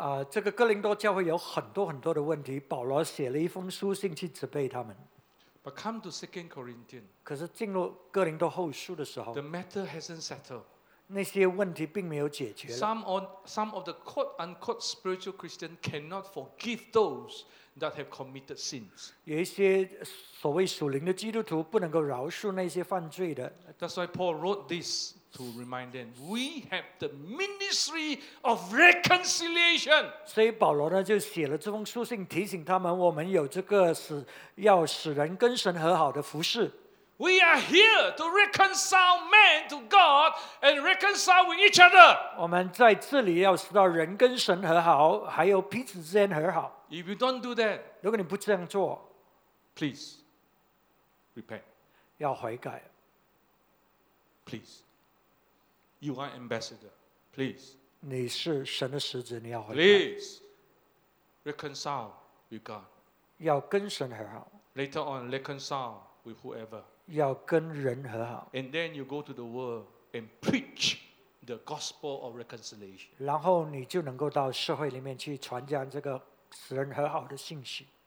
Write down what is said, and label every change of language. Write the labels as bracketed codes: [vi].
[zh] 这个哥林多教会有很多很多的问题，保罗写了一封书信去责备他们。 [en] But come to 2 Corinthians. [zh] 可是进入哥林多后书的时候 [en] ，The matter hasn't settled. [zh] 那些问题并没有解决。 [en] Some of the quote unquote spiritual Christian cannot forgive those that have committed sins. [zh] 有一些所谓属灵的基督徒不能够饶恕那些犯罪的。 [en] That's why Paul wrote this to remind them. We have the ministry of reconciliation. [zh] 所以保罗呢就写了这封书信提醒他们，我们有这个要使人跟神和好的服事。 [en] We are here to reconcile man to God and reconcile with each other. [zh] 我们在这里要使到人跟神和好，还有彼此之间和好。 [en] If you don't do that, [zh] 如果你不这样做 [en] ，please repent. [zh] 要悔改。 [en] Please, you are ambassador. Please, [zh] 你是神的使者，你要悔改。 [en] Please reconcile with God. [zh] 要跟神和好。 [en] Later on, reconcile with whoever. [zh] 要跟人和好。 [en] And then you go to the world and preach the gospel of reconciliation. [zh] 然后你就能够到社会里面去传讲这个使人和好的信息。